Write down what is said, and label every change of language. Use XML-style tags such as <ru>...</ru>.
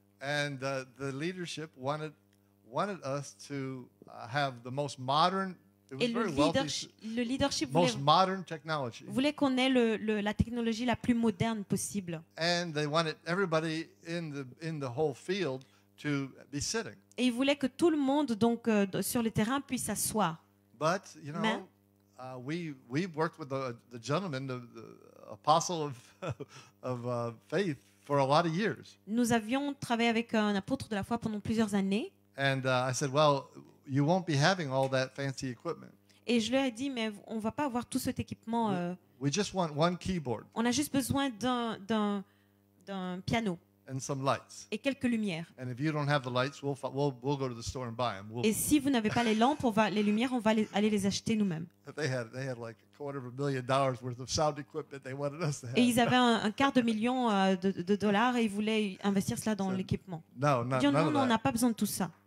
<en>And the leadership wanted us to have the most modern.</en> <fr>Et le leadership</fr> <en>most modern technology.</en> <fr>Voulait qu'on ait la technologie la plus moderne possible.</fr> <en>And they wanted everybody in the whole field to be sitting.</en> <fr>Et il voulait que tout le monde donc sur le terrain puisse s'asseoir.</fr> <en>But you know, mais, we worked with the gentleman, the apostle of faith for a lot of years.</en> <fr>Nous avions travaillé avec un apôtre de la foi pendant plusieurs années.</fr> <en>And I said, well, you won't be having all that fancy equipment.</en> <fr>Et je lui ai dit, mais on va pas avoir tout cet équipement.</fr> <en>We just want one keyboard.</en> <fr>On a juste besoin d'un piano.</fr> <en>And some lights.</en> <fr>Et quelques lumières.</fr> <en>And if you don't have the lights, we'll go to the store and buy them.</en> <fr>Et si vous n'avez pas les lampes, les lumières, on va aller les acheter nous-mêmes.</fr> <en>They had like a quarter of $1 million worth of sound equipment they wanted us to have.</en> <fr>Et ils avaient un quart de million de dollars et ils voulaient investir cela dans l'équipement.</fr> <en>No, not, dit,</en> <fr>non, non, on n'a pas besoin de tout ça.</fr>